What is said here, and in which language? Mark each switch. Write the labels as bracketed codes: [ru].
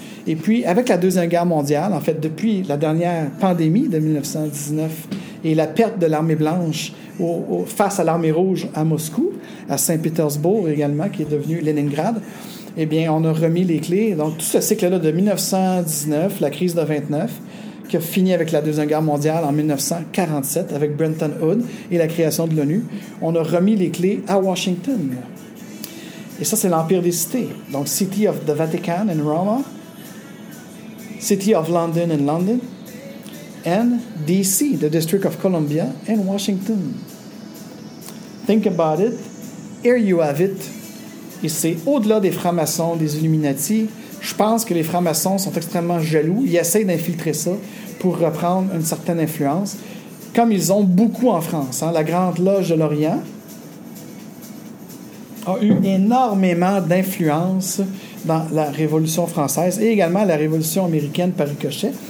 [fr] Et puis, avec la Deuxième Guerre mondiale, en fait, depuis la dernière pandémie de 1919 et la perte de l'armée blanche face à l'armée rouge à Moscou, à Saint-Pétersbourg également, qui est devenu Leningrad, eh bien, on a remis les clés. Donc, tout ce cycle-là de 1919, la crise de 1929, qui a fini avec la Deuxième Guerre mondiale en 1947, avec Bretton Woods et la création de l'ONU, on a remis les clés à Washington. Et ça, c'est l'Empire des Cités. [en] Donc, City of the Vatican in Roma, City of London in London, and D.C., the District of Columbia in Washington. Think about it. Here You Have It. [fr] Et c'est au-delà des francs-maçons, des Illuminati. Je pense que les francs-maçons sont extrêmement jaloux. Ils essayent d'infiltrer ça pour reprendre une certaine influence, comme ils ont beaucoup en France. Hein. La Grande Loge de l'Orient a eu énormément d'influence dans la Révolution française et également la Révolution américaine par ricochet.